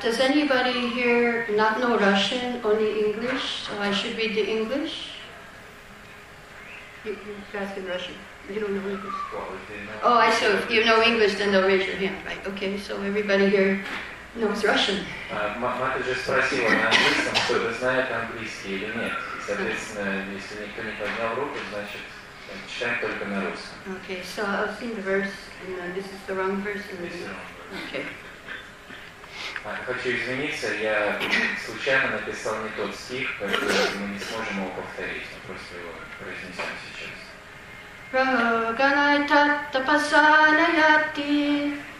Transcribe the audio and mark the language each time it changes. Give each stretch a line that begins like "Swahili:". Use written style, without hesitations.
English: Does anybody here not know Russian, only English? So I should read the English? You ask in Russian. You don't know English. Oh, I see. If you know English, then they'll raise your hand, right? Okay, so everybody here knows Russian.
Russian: Мать уже спросила на английском, кто-то знает английский или нет. И, соответственно, если никто не поднял руку, значит, читаем только на русском.
English: Okay, so I've seen the verse, and this is the wrong verse. And this is wrong. Okay.
Russian: Хочу извиниться, я случайно написал не тот стих, поэтому мы не сможем его повторить, мы просто его произнесем сейчас.
Sanskrit: Роганайта тапасанаяти.